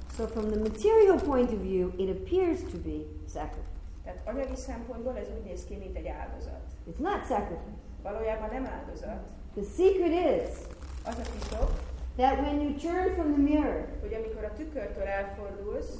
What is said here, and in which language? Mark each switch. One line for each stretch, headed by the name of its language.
English: So from the material point of view, it appears to be sacrifice.
Hungarian: Tehát anyagi szempontból ez úgy néz ki, mint egy áldozat.
English: It's not sacrifice.
Hungarian: Valójában nem áldozat.
English: The secret is,
Hungarian: az a titok,
English: that when you turn from the mirror,
Hungarian: hogy amikor a tükörtől elfordulsz,